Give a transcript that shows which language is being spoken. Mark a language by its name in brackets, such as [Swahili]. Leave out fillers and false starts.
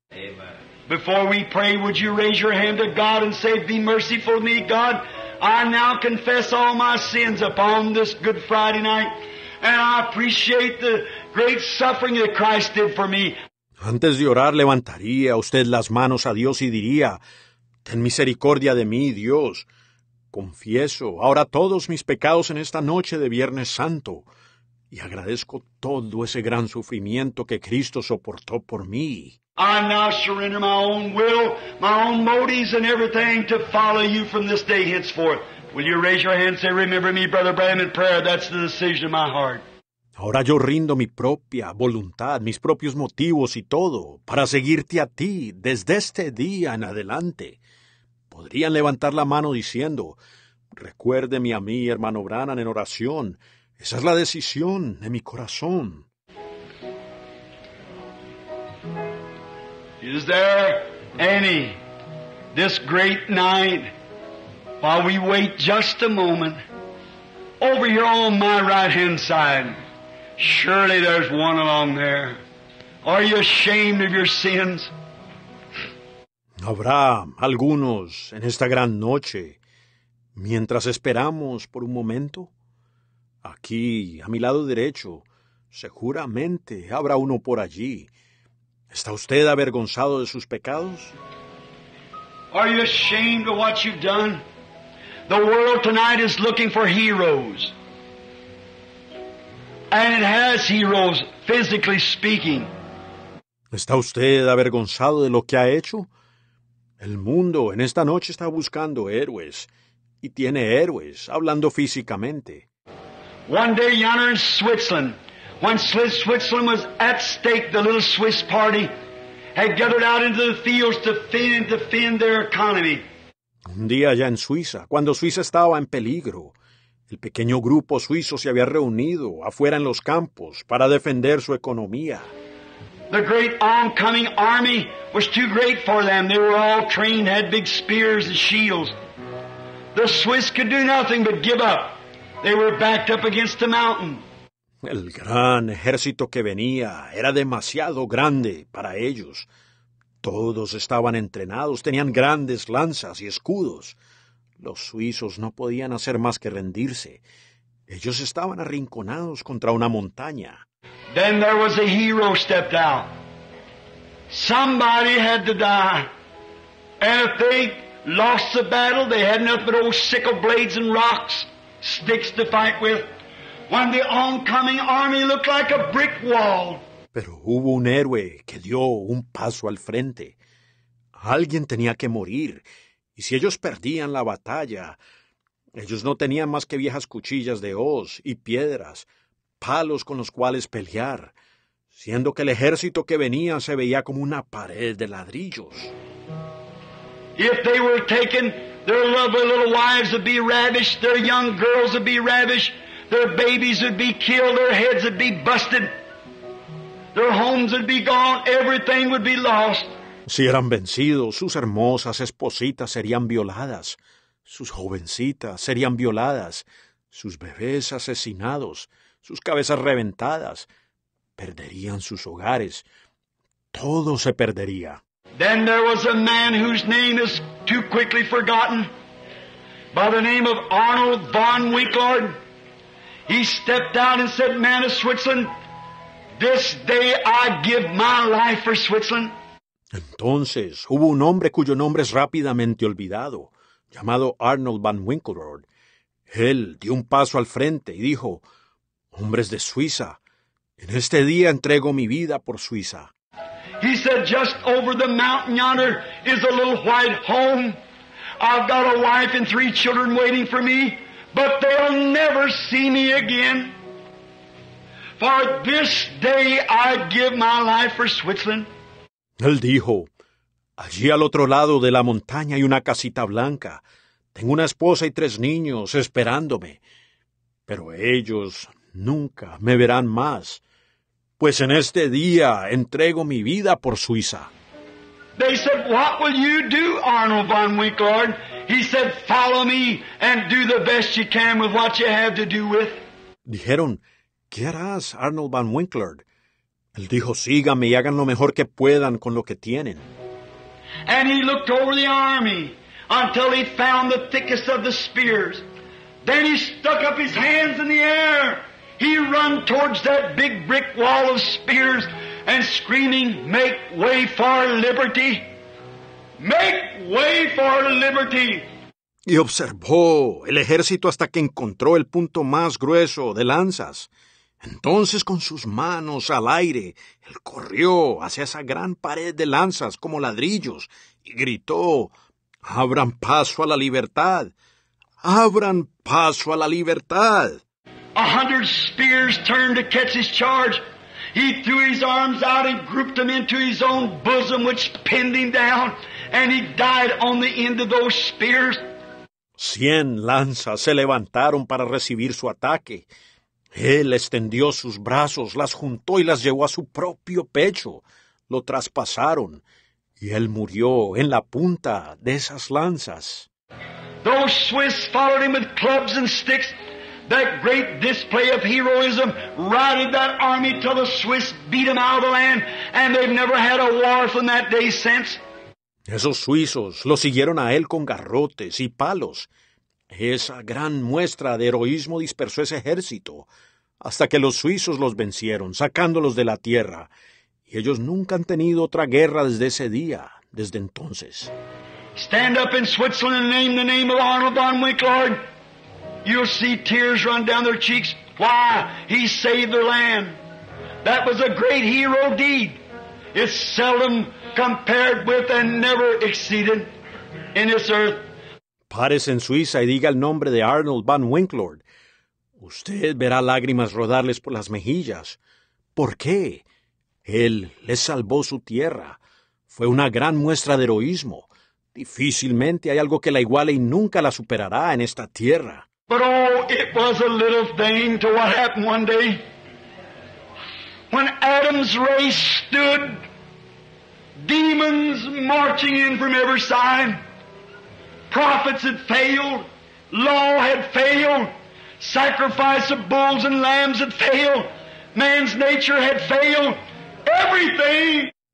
[English] Amen. Before we pray, would you raise your hand to God and say, be merciful to me, God. I now confess all my sins upon this Good Friday night, and I appreciate the great suffering that Christ did for me. [Spanish] Antes de orar, levantaría usted las manos a Dios y diría, ten misericordia de mí, Dios. Confieso ahora todos mis pecados en esta noche de Viernes Santo, y agradezco todo ese gran sufrimiento que Cristo soportó por mí. [English] I now surrender my own will, my own motives and everything to follow you from this day henceforth. Will you raise your hand and say, remember me, Brother Branham, in prayer? That's the decision of my heart. [Spanish] Ahora yo rindo mi propia voluntad, mis propios motivos y todo para seguirte a ti desde este día en adelante. Podrían levantar la mano diciendo, recuérdeme a mí, hermano Branham, en oración. Esa es la decisión de mi corazón. [English] Is there any this great night, while we wait just a moment, over here on my right hand side? Surely there's one along there. Are you ashamed of your sins? [Spanish] Habrá algunos en esta gran noche, mientras esperamos por un momento. Aquí, a mi lado derecho, seguramente habrá uno por allí. ¿Está usted avergonzado de sus pecados? [English] Are you ashamed of what you've done? The world tonight is looking for heroes. And it has heroes, physically speaking. [Spanish] ¿Está usted avergonzado de lo que ha hecho? El mundo en esta noche está buscando héroes, y tiene héroes, hablando físicamente. [English] One day yonder in Switzerland, when Switzerland was at stake, the little Swiss party had gathered out into the fields to feed and defend their economy. [Spanish] Un día allá en Suiza, cuando Suiza estaba en peligro, el pequeño grupo suizo se había reunido afuera en los campos para defender su economía. [English] The great oncoming army was too great for them. They were all trained, had big spears and shields. The Swiss could do nothing but give up. They were backed up against the mountain. [Spanish] El gran ejército que venía era demasiado grande para ellos. Todos estaban entrenados, tenían grandes lanzas y escudos. Los suizos no podían hacer más que rendirse. Ellos estaban arrinconados contra una montaña. [English] Then there was a hero stepped out. Somebody had to die. And if they lost the battle, they had nothing but old sickle blades and rocks, sticks to fight with. When the oncoming army looked like a brick wall. [Spanish] Pero hubo un héroe que dio un paso al frente. Alguien tenía que morir. Y si ellos perdían la batalla, ellos no tenían más que viejas cuchillas de hoz y piedras, palos con los cuales pelear, siendo que el ejército que venía se veía como una pared de ladrillos. [English] If they were taken, their lovely little wives would be ravished, their young girls would be ravished, their babies would be killed, their heads would be busted, their homes would be gone, everything would be lost. [Spanish] Si eran vencidos, sus hermosas espositas serían violadas, sus jovencitas serían violadas, sus bebés asesinados, sus cabezas reventadas, perderían sus hogares, todo se perdería. [English] Then there was a man whose name is too quickly forgotten, by the name of Arnold von Winkler. He stepped out and said, man of Switzerland, This day I give my life for Switzerland. [Spanish] Entonces, hubo un hombre cuyo nombre es rápidamente olvidado, llamado Arnold Van Winkelrode. Él dio un paso al frente y dijo, hombres de Suiza, en este día entrego mi vida por Suiza. [English] He said, just over the mountain yonder is a little white home. I've got a wife and three children waiting for me, but they'll never see me again. For this day I give my life for Switzerland. [Spanish] Él dijo, allí al otro lado de la montaña hay una casita blanca. Tengo una esposa y tres niños esperándome, pero ellos nunca me verán más, pues en este día entrego mi vida por Suiza. [English] They said, what will you do, Arnold von Winkelrode? He said, follow me and do the best you can with what you have to do with. [Spanish] Dijeron, ¿qué harás, Arnold von Winkelrode? Él dijo, síganme y hagan lo mejor que puedan con lo que tienen. [English] And he looked over the army until he found the thickest of the spears. Then he stuck up his hands in the air. He ran towards that big brick wall of spears and screaming, make way for liberty. Make way for liberty. [Spanish] Y observó el ejército hasta que encontró el punto más grueso de lanzas. Entonces, con sus manos al aire, él corrió hacia esa gran pared de lanzas como ladrillos y gritó, ¡abran paso a la libertad! ¡Abran paso a la libertad! [English] 100 spears turned to catch his charge. He threw his arms out and grouped them into his own bosom, which pinned him down, and he died on the end of those spears. [Spanish] 100 lanzas se levantaron para recibir su ataque. Él extendió sus brazos, las juntó y las llevó a su propio pecho. Lo traspasaron, y él murió en la punta de esas lanzas. [English] Those Swiss followed him with clubs and sticks. That great display of heroism routed that army till the Swiss beat them out of the land, and they've never had a war from that day since. [Spanish] Esos suizos lo siguieron a él con garrotes y palos. Esa gran muestra de heroísmo dispersó ese ejército hasta que los suizos los vencieron, sacándolos de la tierra. Y ellos nunca han tenido otra guerra desde ese día, desde entonces. [English] Stand up in Switzerland and name the name of Arnold von Winkelrode. You'll see tears run down their cheeks. Why? He saved their land. That was a great hero deed. It's seldom compared with and never exceeded in this earth. [Spanish] Párese en Suiza y diga el nombre de Arnold von Winkelrode. Usted verá lágrimas rodarles por las mejillas. ¿Por qué? Él le salvó su tierra. Fue una gran muestra de heroísmo. Difícilmente hay algo que la iguale y nunca la superará en esta tierra. [English] But oh, it was a little thing to what happened one day. When Adam's race stood, demons marching in from every side. Prophets had failed, law had failed, sacrifice of bulls and lambs had failed, man's nature had failed, everything.